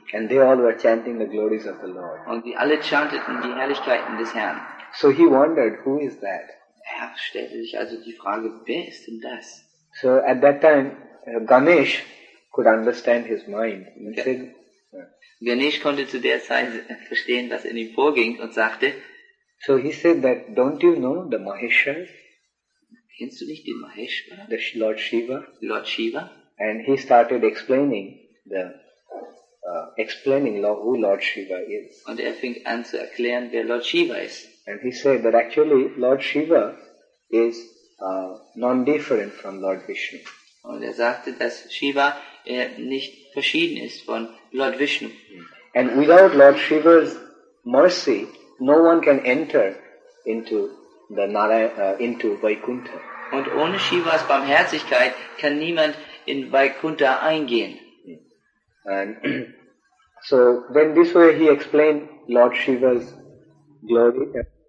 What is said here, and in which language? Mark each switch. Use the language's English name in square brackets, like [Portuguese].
[English] And they all were chanting the glories of the Lord. [German] Und die alle chanteten die Herrlichkeiten des Herrn. [English] So he wondered, who is that? [German] Er stellte sich also die Frage, wer ist denn das? [English] So at that time, Ganesh could understand his mind. Said, [German] Ganesh konnte zu der Zeit verstehen, was in ihm vorging, und sagte, [English] so he said that, don't you know the Maheshwar? [German] Kennst du nicht den Maheshwar? [English] The Lord Shiva. [German] Lord Shiva. [English] And he started explaining who Lord Shiva is. [German] Und er fing an zu erklären, wer Lord Shiva ist. [English] And he said that actually Lord Shiva is non-different from Lord Vishnu. [German] Und er sagte, dass Shiva nicht verschieden ist von Lord Vishnu. [English] And without Lord Shiva's mercy, no one can enter into the into Vaikuntha. [German] Und ohne Shivas Barmherzigkeit kann niemand in Vaikuntha eingehen. [English] And so then this way he explained Lord Shiva's glory.